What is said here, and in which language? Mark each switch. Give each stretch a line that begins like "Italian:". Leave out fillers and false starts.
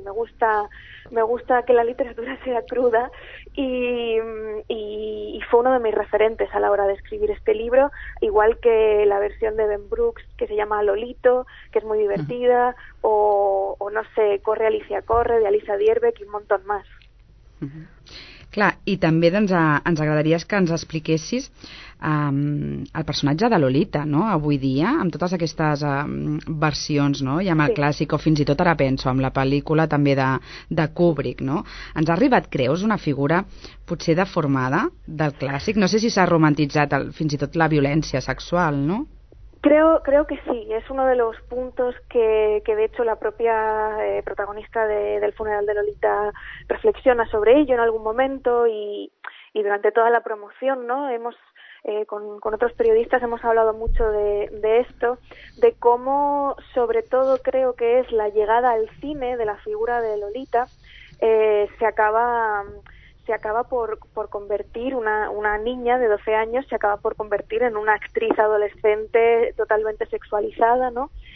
Spanish: Me gusta que la literatura sea cruda y fue uno de mis referentes a la hora de escribir este libro, igual que la versión de Ben Brooks que se llama Lolito, que es muy divertida, o no sé, Corre Alicia Corre, de Alicia Dierbeck y un montón más.
Catalan: Clar, i també doncs, ens agradaria que ens expliquessis el personatge de Lolita, no? Avui dia, amb totes aquestes versions, no? I amb el clàssic, o fins i tot ara penso, amb la pel·lícula també de Kubrick, no? Ens ha arribat, creus, una figura potser deformada del clàssic? No sé si s'ha romantitzat fins i tot la violència sexual, no?
Spanish: Creo que sí, es uno de los puntos que de hecho la propia protagonista del funeral de Lolita reflexiona sobre ello en algún momento y durante toda la promoción, ¿no? Hemos con otros periodistas hemos hablado mucho de esto, de cómo sobre todo creo que es la llegada al cine de la figura de Lolita se acaba por convertir una niña de 12 años se acaba por convertir en una actriz adolescente totalmente sexualizada, ¿no?